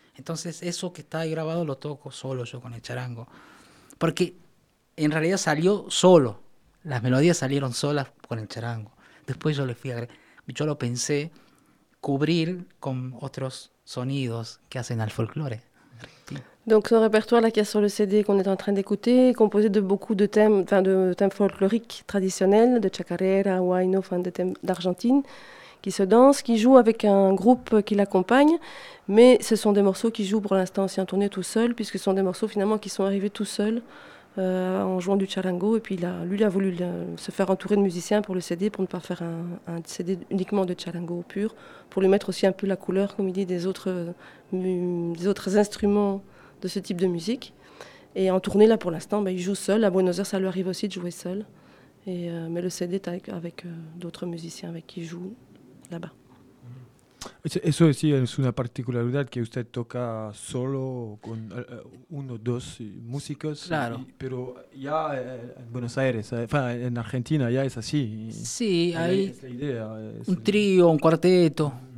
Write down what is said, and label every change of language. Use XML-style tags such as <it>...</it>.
<es>Entonces, eso que está ahí grabado lo toco solo yo con el charango. Porque en realidad salió solo. Las melodías salieron solas con el charango. Después yo le fui a agregar. Yo lo pensé cubrir con otros sonidos que hacen al folclore.</es> <fr>Donc ce répertoire là qu'il y a sur le CD qu'on est en train d'écouter est composé de beaucoup de thèmes, enfin de thèmes folkloriques traditionnels, de chacarera, huayno, enfin des thèmes d'Argentine, qui se dansent, qui jouent avec un groupe qui l'accompagne, mais ce sont des morceaux qui jouent pour l'instant aussi en tournée tout seul, puisque ce sont des morceaux finalement qui sont arrivés tout seuls en jouant du charango, et puis il a voulu se faire entourer de musiciens pour le CD, pour ne pas faire un CD uniquement de charango pur, pour lui mettre aussi un peu la couleur, comme il dit, des autres instruments de ce type de musique. Et en tournée, là, pour l'instant, il joue seul. À Buenos Aires, ça lui arrive aussi de jouer seul. Mais le CD est avec d'autres musiciens avec qui il joue là-bas.</fr> <es>Eso sí es una particularidad que usted toca solo con uno o dos músicos. Claro. Pero ya en Buenos Aires, en Argentina, ya es así. Sí, hay un trío, un cuarteto.</es>